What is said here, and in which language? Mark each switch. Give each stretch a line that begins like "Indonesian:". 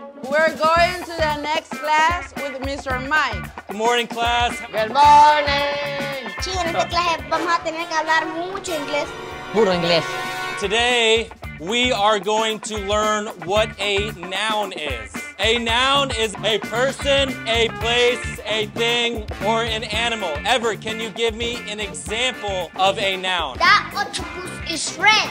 English: We're going to the next class with Mr. Mike. Good morning, class. Good morning.
Spanish: Chicos, en esta clase vamos a tener que hablar mucho inglés. Puro inglés.
English: Today, we are going to learn what a noun is. A noun is a person, a place, a thing, or an animal. Ever, can you give me an example of a noun? That octopus is red.